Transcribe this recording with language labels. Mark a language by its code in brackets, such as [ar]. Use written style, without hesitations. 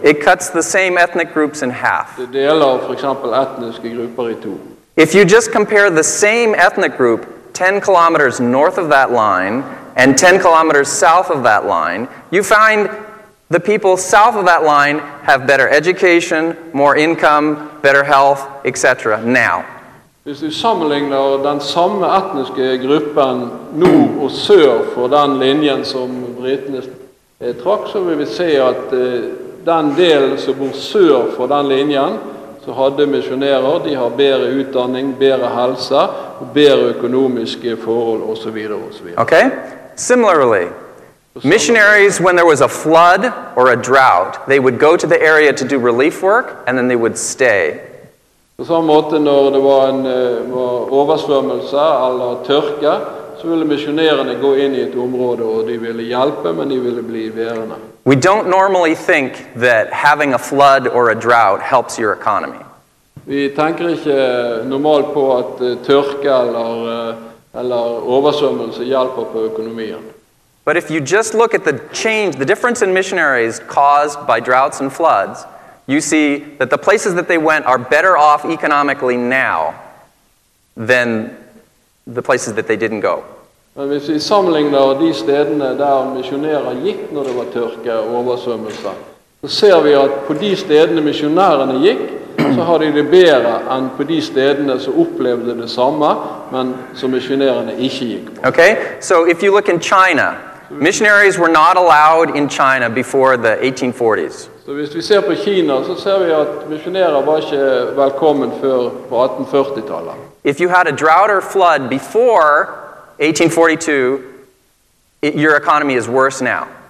[en] It cuts the same ethnic groups in half. [no] Det deler for eksempel etniske grupper I to. [en] If you just compare the same ethnic group 10 kilometers north of that line and 10 kilometers south of that line, you find the people south of that line have better education, more income, better health, etc. Now. [no] Hvis du sammenligner den samme etniske gruppen nord og sør for den linjen som britene trakk, så vil vi se at den del som bor sør for den linjen, så hadde misjonærer, de har bedre utdanning, bedre helse, bedre økonomiske forhold, og så videre, og så videre. [en] Okay. Similarly, missionaries, when there was a flood or a drought, they would go to the area to do relief work, and then they would stay. [no] På samme måte, når det var en oversvømmelse eller tørke, så ville missionærene gå inn I et område, og de ville hjelpe, men de ville bli værende. [en] We don't normally think that having a flood or a drought helps your economy. [no] Vi tenker ikke normalt på at tørke eller oversvømmelse hjelper på økonomien. [en] But if you just look at the change, the difference in missionaries caused by droughts and floods, you see that the places that they went are better off economically now than the places that they didn't go. [no] Men hvis vi sammenligner de stedene der misjonærer gikk når det var tørke og oversvømmelse, så ser vi at på de stedene misjonærene gikk, så har de det bedre enn på de stedene som opplevde det samme, men som misjonærene ikke gikk på. [en] Okay, so if you look in China, missionaries were not allowed in China before the 1840s. [no] Så hvis vi ser på Kina, så ser vi at misjonærer var ikke velkommen før på 1840-tallet. [en] If you had a drought or flood before 1842, your economy is worse now.